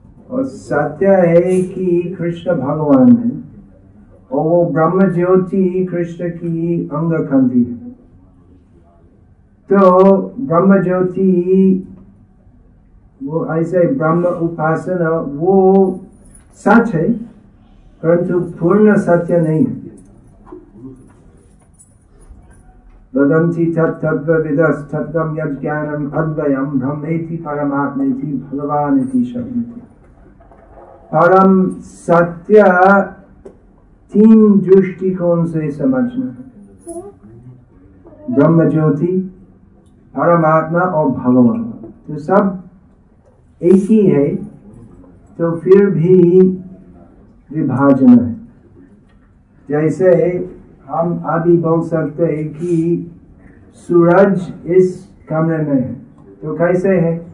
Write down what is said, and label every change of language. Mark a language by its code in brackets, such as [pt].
[hi] और सत्य है कि कृष्ण भगवान है और वो ब्रह्म ज्योति कृष्ण की अंग खंडी है. तो ब्रह्म ज्योति वो ऐसे ब्रह्म उपासना वो सच है, परंतु पूर्ण सत्य नहीं है. [sa] वदन्ति तत्त्वविदः तत्त्वं यज्ज्ञानम् अद्वयम् ब्रह्मेति परमात्मेति भगवान् इति शब्देति. [hi] परम सत्य तीन दृष्टिकोण से समझना है, ब्रह्म ज्योति, परमात्मा और भगवान, तो सब एक ही है. तो फिर भी विभाजन है, जैसे हम अभी बोल सकते हैं कि सूरज इस कमरे में है, तो कैसे है?